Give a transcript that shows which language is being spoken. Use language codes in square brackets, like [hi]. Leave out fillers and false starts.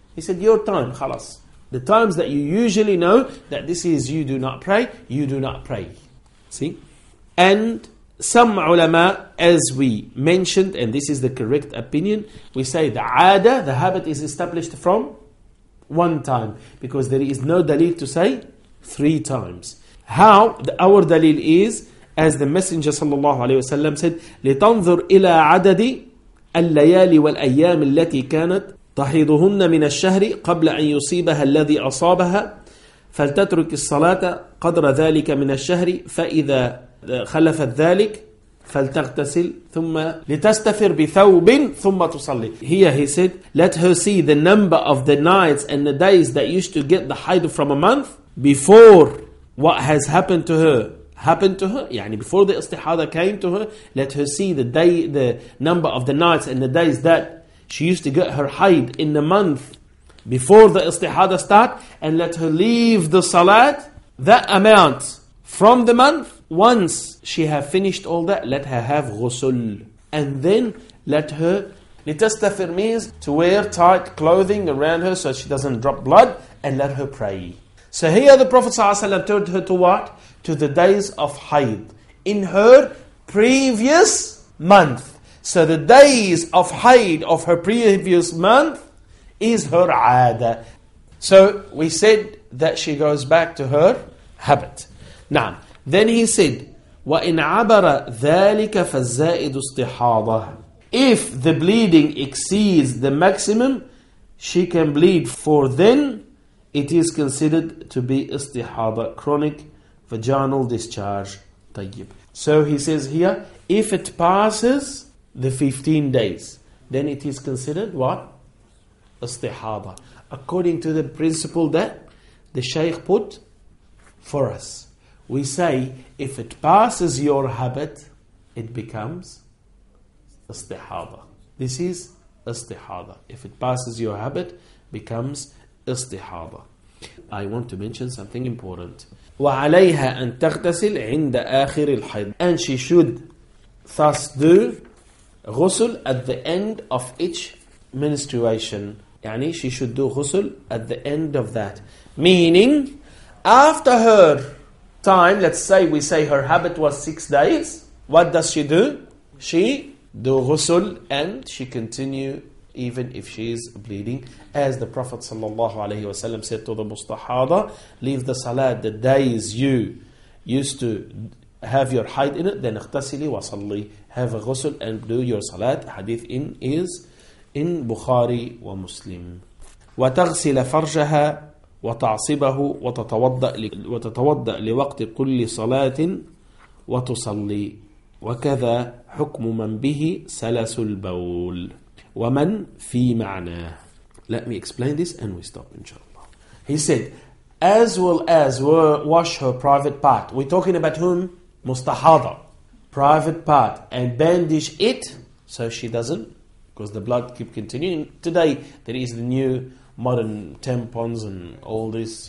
[en] He said, your time, khalas. The times that you usually know that this is you do not pray, you do not pray. See, and some ulama, as we mentioned, and this is the correct opinion, we say the ada, the habit, is established from one time, because there is no dalil to say 3 times. How? Our dalil is, as the Messenger sallallahu alayhi wa sallam said, [ar] لِتَنْظُرْ إِلَىٰ عَدَدِ الْلَيَالِ وَالْأَيَّامِ الَّتِي كَانَتْ تَحِيضُهُنَّ مِنَ الشَّهْرِ قَبْلَ أَنْ يُصِيبَهَا الَّذِي أَصَابَهَا فلتترك الصلاة قدر ذلك من الشهر فإذا خلفت ذلك فلتغتسل ثم لتستفر بثوب ثم تصلي. [en] Here he said, let her see the number of the nights and the days that used to get the hayd from a month before what has happened to her happened to her. يعني before the istihada came to her, let her see the day, the number of the nights and the days that she used to get her hayd in the month before the istihada start, and let her leave the salat that amount from the month. Once she have finished all that, let her have ghusl, and then let her لتستفر means to wear tight clothing around her so she doesn't drop blood and let her pray. So here the Prophet ﷺ told her to what? To the days of Hayd. In her previous month. So the days of Hayd of her previous month is her Aada. So we said that she goes back to her habit. Now, then he said, [ar] وَإِنْ عَبَرَ ذَٰلِكَ فَالزَّائِدُ اسْتِحَاضَهُ. [en] If the bleeding exceeds the maximum, she can bleed, for then it is considered to be istihada, chronic vaginal discharge. طيب. So he says here, if it passes the 15 days, then it is considered what? Istihada. According to the principle that the Shaykh put for us. We say, if it passes your habit, it becomes istihada. This is istihada. If it passes your habit, becomes istihada. I want to mention something important. [ar] وعليها أن تغتسل عند آخر الحيض. [en] And she should thus do غسل at the end of each menstruation. يعني she should do غسل at the end of that. Meaning, after her time, let's say we say her habit was 6 days, what does she do? She do ghusl and she continue even if she is bleeding. As the Prophet sallallahu alaihi wasallam said to the mustahada, leave the salat the days you used to have your hayd in it, then [ar] اغتسلي وصلي, [en] have a ghusl and do your salat. Hadith in is in Bukhari wa Muslim. [ar] وتغسل فرجها وتعصبه وتتوضأ لوقت كل صلاة وتصلي وكذا حكم من به سلس البول ومن في معناه. [en] Let me explain this and we stop inshallah. He said, as well as wash her private part. We're talking about whom? Mustahada. Private part. And bandage it so she doesn't, because the blood keep continuing. Today there is the new modern tampons and all this.